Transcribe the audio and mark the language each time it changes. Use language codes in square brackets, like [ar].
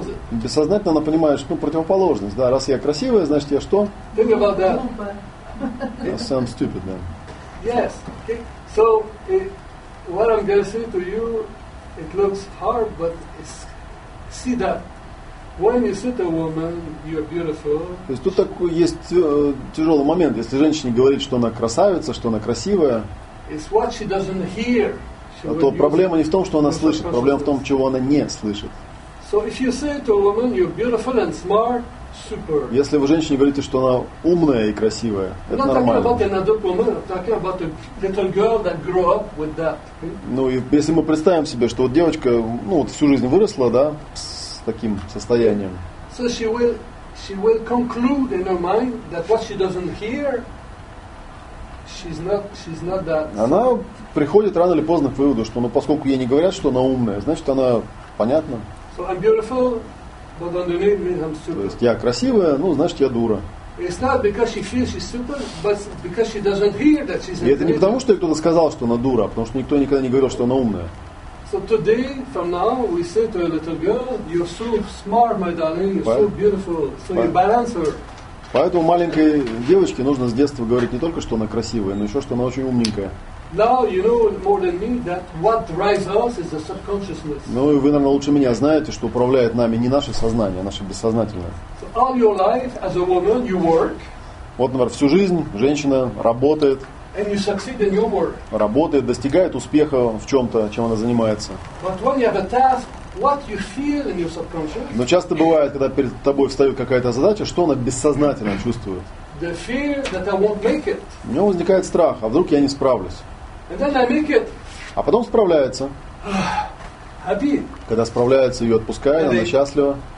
[ru] Бессознательно она понимает, что, ну, противоположность. Да, раз я красивая, значит я что? [en] Think about that. That sounds stupid, man. Yes. Okay. So, what I'm going to say to you, it looks hard, but see that. When you see a woman, you are beautiful. [ru] То есть тут такой есть тяжелый момент, если женщине говорит, что она красавица, что она красивая. [en] It's what she doesn't hear. [ru] А то проблема не в том, что она слышит, проблема в том, чего она не слышит. [en] So if you say to a woman, you're beautiful and smart, super. [ru] Если вы женщине говорите, что она умная и красивая, это нормально. [en] Not talking about another woman, talking about a little girl that grew up with that. [ru] Ну и если мы представим себе, что вот девочка, ну вот всю жизнь выросла, да? Таким состоянием. [en] So she will conclude in her mind that what she doesn't hear, she's not that. [ru] Она приходит рано или поздно к выводу, что, ну, поскольку ей не говорят, что она умная, значит, она понятна. [en] So I'm beautiful, but underneath me I'm stupid. [ru] То есть я красивая, ну, значит, я дура. [en] It's not because she feels she's stupid, but because she doesn't hear that she's. [ru] И это не потому, что кто-то сказал, что она дура, потому что никто никогда не говорил, что она умная. [en] So today, from now, we say to a little girl, "You're so smart, my darling. You're so beautiful. So you balance her." [ru] Поэтому маленькой девочке нужно с детства говорить не только, что она красивая, но еще, что она очень умненькая. [en] Now you know more than me that what drives us is the subconsciousness. [ru] Ну и вы, наверное, лучше меня знаете, что управляет нами не наше сознание, а наше бессознательное. [en] So all your life as a woman, you work. [ru] Вот, например, всю жизнь женщина работает. [en] And you succeed in your work. [ru] Работает, достигает успеха в чем-то, чем она занимается. [en] But when you have a task, what you feel in your subconscious? [ru] Но часто бывает, когда перед тобой встает какая-то задача, что она бессознательно чувствует. [en] The fear that I won't make it. [ru] У него возникает страх, а вдруг я не справлюсь. [en] And then I make it. [ru] А потом справляется. [en] Happy. [ru] Когда справляется, ее отпускает, она счастлива.